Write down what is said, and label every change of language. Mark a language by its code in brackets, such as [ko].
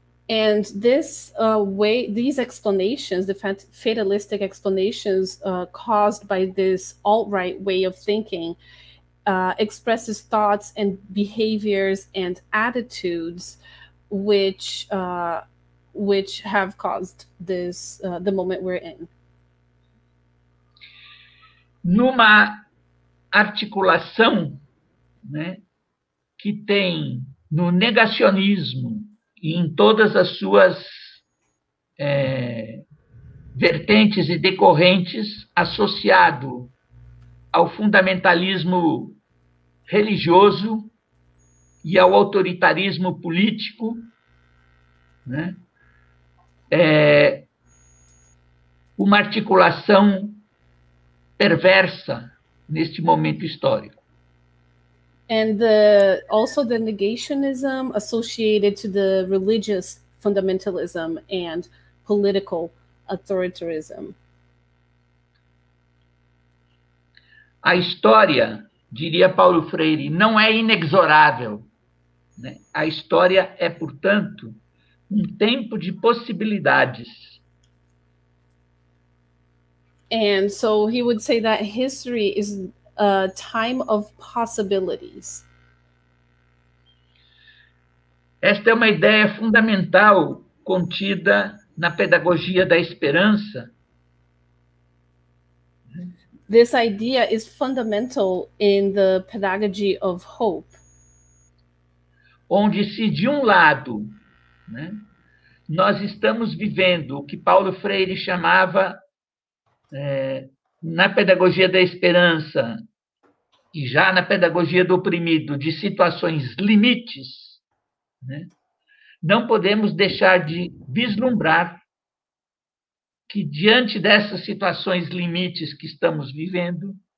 [en] And this way, these explanations, the fatalistic explanations caused by this alt-right way of thinking, expresses thoughts and behaviors and attitudes, which have caused this the moment we're in. [pt] Numa articulação, né, que tem no negacionismo e em todas as suas vertentes e decorrentes associado ao fundamentalismo religioso e ao autoritarismo político, né, uma articulação perversa neste momento histórico. [en] And the, also the negationism associated to the religious fundamentalism and political authoritarianism. [pt] A história, diria Paulo Freire, não é inexorável. Né? A história é, portanto, um tempo de possibilidades. [en] And so he would say that history is a time of possibilities. [pt] Esta é uma ideia fundamental contida na pedagogia da esperança. [en] This idea is fundamental in the pedagogy of hope. [pt] Onde se, de um lado, né, nós estamos vivendo o que Paulo Freire chamava, na pedagogia da esperança, e já na pedagogia do oprimido, de situações limites, né, não podemos deixar de vislumbrar que, diante dessas situações limites que estamos vivendo,